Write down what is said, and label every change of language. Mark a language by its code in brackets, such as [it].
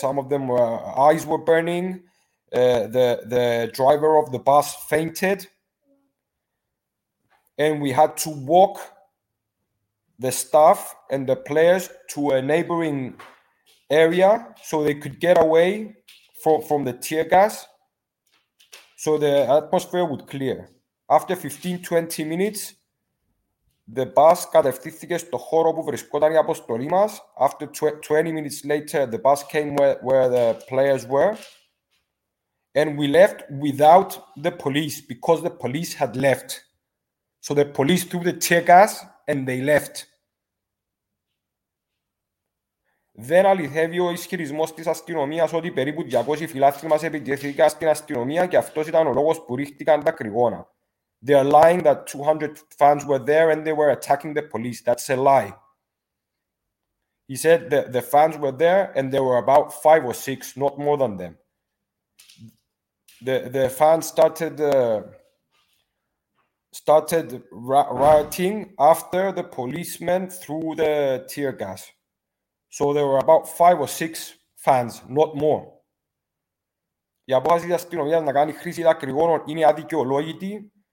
[en] Some of them eyes were burning. The driver of the bus fainted, and we had to walk the staff and the players to a neighboring area so they could get away from the tear gas so the atmosphere would clear. After 15-20 minutes, the bus [el] κατευθύνθηκε στο χώρο που βρισκόταν η αποστολή μας. [en] After 20 minutes later, the bus came where the players were. And we left without the police, because the police had left. So the police threw the tear gas and they left. [el] Δεν αληθεύει ο ισχυρισμός της αστυνομίας ότι περίπου 200 φιλάθλοι μας επιτέθηκαν στην αστυνομία και αυτός ήταν ο λόγος που ρίχτηκαν τα κρυγόνα. [en] They are lying that 200 fans were there and they were attacking the police. That's a lie. He said that the fans were there and there were about 5 or 6, not more than them. The fans started rioting after the policemen threw the tear gas. So there were about 5 or 6 fans, not more. [el] Η απόφαση της αστυνομίας να κάνει χρήση δακρυγόνων είναι αδικαιολόγητη.